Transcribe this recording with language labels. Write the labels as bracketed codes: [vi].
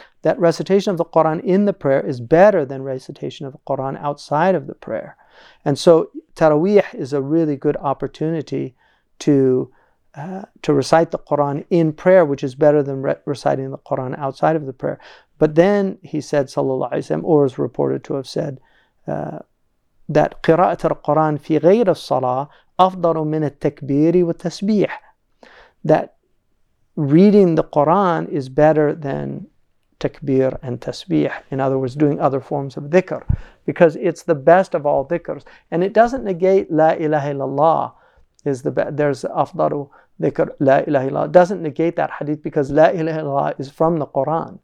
[en] That recitation of the Quran in the prayer is better than recitation of the Quran outside of the prayer. And so Taraweeh is a really good opportunity to recite the Quran in prayer, which is better than reciting the Quran outside of the prayer. But then he said, [ar] صلى الله عليه وسلم, [en] or is reported to have said, that [ar] قراءة القرآن في غير الصلاة أفضل من التكبير والتسبيح. [en] That reading the Quran is better than takbir and tasbih. In other words, doing other forms of dhikr, because it's the best of all dhikrs. And it doesn't negate La ilaha illallah is the best. There's أفضل dhikr La ilaha illallah. It doesn't negate that hadith, because La ilaha illallah is from the Quran.